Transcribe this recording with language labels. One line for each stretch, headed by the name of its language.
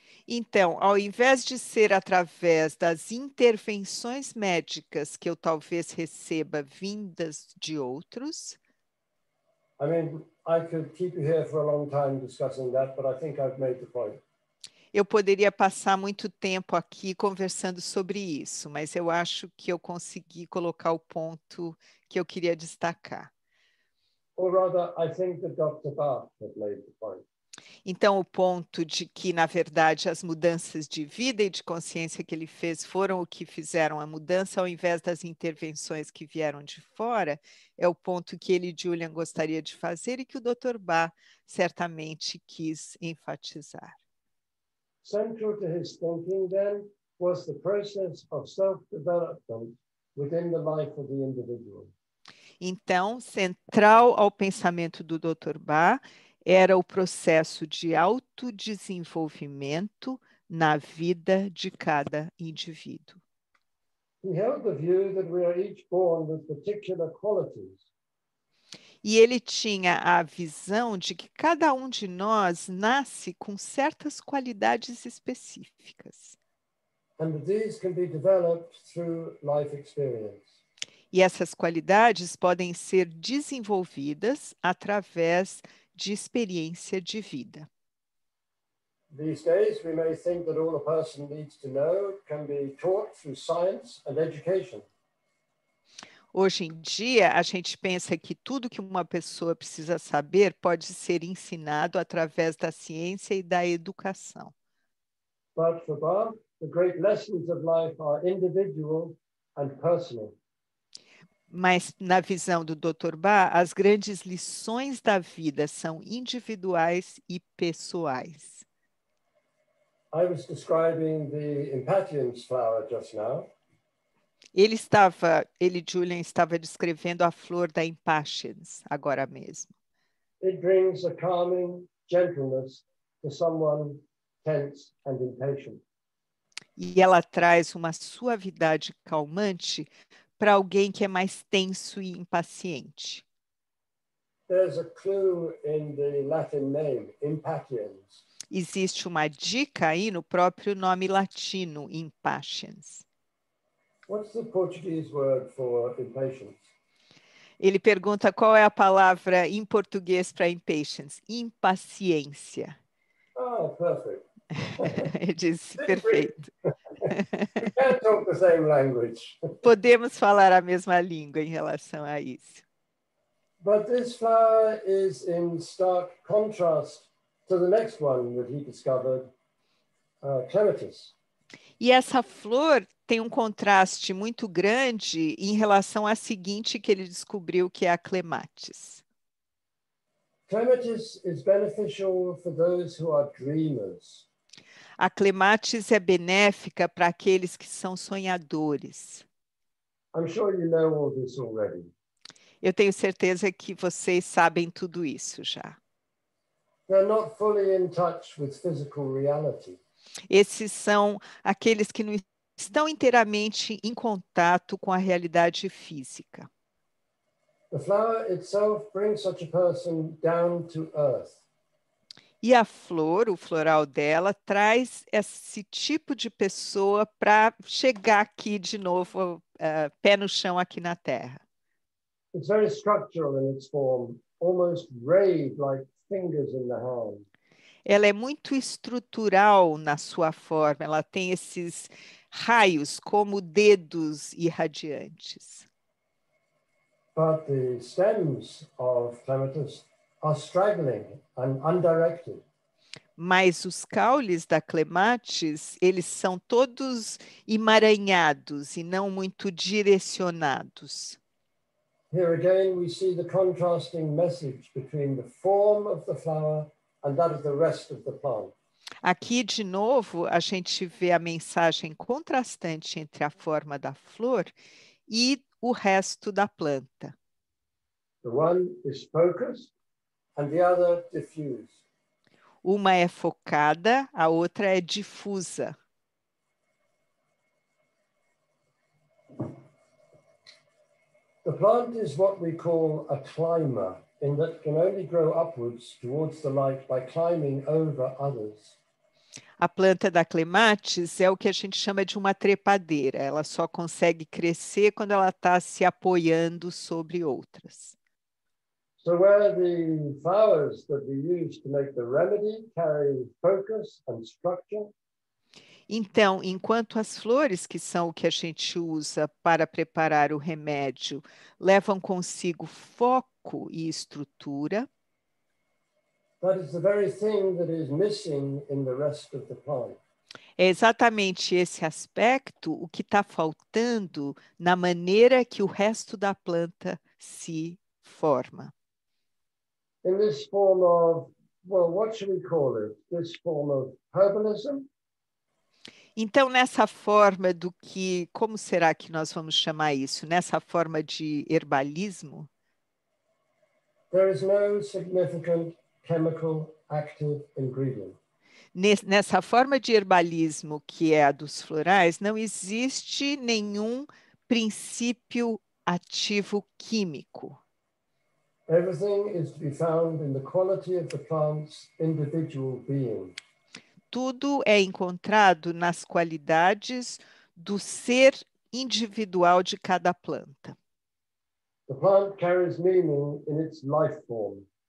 Portuguese: Então, ao invés de ser através das intervenções médicas que eu talvez receba vindas de outros.
English: I mean, I could keep you here for a long time discussing that, but I think I've made the point.
Portuguese: Eu poderia passar muito tempo aqui conversando sobre isso, mas eu acho que eu consegui colocar o ponto que eu queria destacar.
English: Or rather, I think that Dr. Ba has made the point.
Portuguese: Então, o ponto de que, na verdade, as mudanças de vida e de consciência que ele fez foram o que fizeram a mudança, ao invés das intervenções que vieram de fora, é o ponto que ele, Julian, gostaria de fazer e que o Dr. Ba certamente quis enfatizar.
English: Central to his thinking, then, was the process of self-development within the life of the individual.
Portuguese: Então, central ao pensamento do Dr. Ba era o processo de autodesenvolvimento na vida de cada indivíduo.
English: He held the view that we are each born with particular qualities.
Portuguese: E ele tinha a visão de que cada um de nós nasce com certas qualidades específicas.
English: And these can be developed through life experience.
Portuguese: E essas qualidades podem ser desenvolvidas através de experiência de vida.
English: These days we may think that all a person needs to know can be taught through science and education.
Portuguese: Hoje em dia, a gente pensa que tudo que uma pessoa precisa saber pode ser ensinado através da ciência e da educação.
English: But for Bob, the great lessons of life are individual and personal.
Portuguese: Mas na visão do Dr. Ba, as grandes lições da vida são individuais e pessoais.
English: I was describing the Impatiens flower just now.
Portuguese: Ele, Julian, estava descrevendo a flor da Impatiens agora mesmo.
English: It brings a calming gentleness to someone tense and impatient.
Portuguese: E ela traz uma suavidade calmante para alguém que é mais tenso e impaciente.
English: There's a clue in the Latin name, Impatiens.
Portuguese: Existe uma dica aí no próprio nome latino, Impatiens.
English: What's the Portuguese word for impatience?
Portuguese: Ele pergunta qual é a palavra em português para impatience. Impaciência.
English: Oh, perfect.
Portuguese: Ele disse, perfeito.
English: We can't talk the same language.
Portuguese: Podemos falar a mesma língua em relação a isso.
English: But this flower is in stark contrast to the next one that he discovered, clematis.
Portuguese: E essa flor tem um contraste muito grande em relação à seguinte que ele descobriu, que é a clematis.
English: Clematis is beneficial for those who are dreamers.
Portuguese: A clematis é benéfica para aqueles que são sonhadores.
English: I'm sure you know all this already.
Portuguese: Eu tenho certeza que vocês sabem tudo isso já.
English: They're not fully in touch with physical reality.
Portuguese: Esses são aqueles que não estão inteiramente em contato com a realidade física.
English: The flower itself brings such a person down to earth.
Portuguese: E a flor, o floral dela, traz esse tipo de pessoa para chegar aqui de novo, pé no chão aqui na Terra.
English: It's very structural in its form, almost rave like fingers in the hand.
Portuguese: Ela é muito estrutural na sua forma, ela tem esses raios como dedos irradiantes.
English: But the stems of clematis are straggling and undirected.
Portuguese: Mas os caules da clematis, eles são todos emaranhados e não muito direcionados.
English: Here again we see the contrasting message between the form of the flower and that of the rest of the plant.
Portuguese: Aqui de novo a gente vê a mensagem contrastante entre a forma da flor e o resto da planta.
English: The one is focused and the other diffused.
Portuguese: Uma é focada, a outra é difusa.
English: The plant is what we call a climber, in that can only grow upwards towards the light by climbing over others.
Portuguese: A planta da clematis é o que a gente chama de uma trepadeira. Ela só consegue crescer quando ela está se apoiando sobre outras.
English: So where the flowers that we use to make the remedy carry focus and structure.
Portuguese: Então, enquanto as flores, que são o que a gente usa para preparar o remédio, levam consigo foco e estrutura.
English: That is the very thing that is missing in the rest of the plant.
Portuguese: É exatamente esse aspecto o que está faltando na maneira que o resto da planta se forma.
English: In this form of, well, what should we call it? This form of herbalism?
Portuguese: Então, nessa forma do que, como será que nós vamos chamar isso? Nessa forma de herbalismo?
English: There is no significant chemical active ingredient.
Portuguese: Nessa forma de herbalismo, que é a dos florais, não existe nenhum princípio ativo químico.
English: Everything is to be found in the quality of the plant's individual being.
Portuguese: Tudo é encontrado nas qualidades do ser individual de cada planta.
English: The plant carries meaning in its life form.